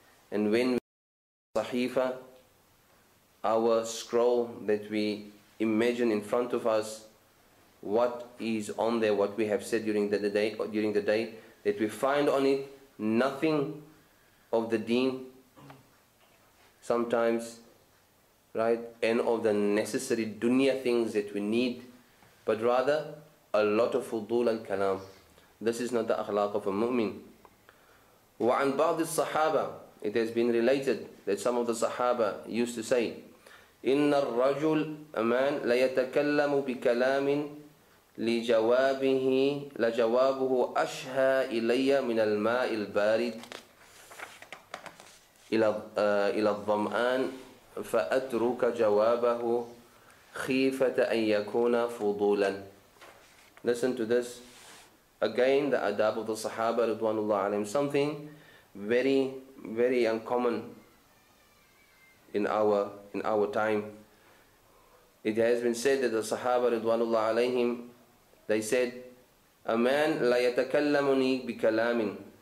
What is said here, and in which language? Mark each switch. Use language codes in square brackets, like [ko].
[en] And when we sahifa, our scroll that we imagine in front of us, what is on there, what we have said during the day, that we find on it nothing of the deen, sometimes, right, and of the necessary dunya things that we need, but rather a lot of fudul al kalam. This is not the akhlaq of a mu'min. [ar] وَعَنْ بَعْضِ الصَّحَابَةِ, [en] it has been related that some of the sahaba used to say, [ar] إِنَّ الرَّجُلْ أَمَانْ لَيَتَكَلَّمُ بِكَلَامٍ لِجَوَابِهِ لَجَوَابُهُ أَشْهَى إِلَيَّ مِنَ الْمَاءِ الْبَارِدِ إِلَى الظَّمْآنِ فَأَتْرُكَ جَوَابَهُ خِيفَةَ أَنْ يَكُونَ فُضُولًا. [en] Listen to this. Again, the adab of the Sahaba, Ridwanullah alayhim. Something very, very uncommon in our time. It has been said that the Sahaba, Ridwanullah alayhim, they said, a man [ar] la yatakallamuni bikalamin.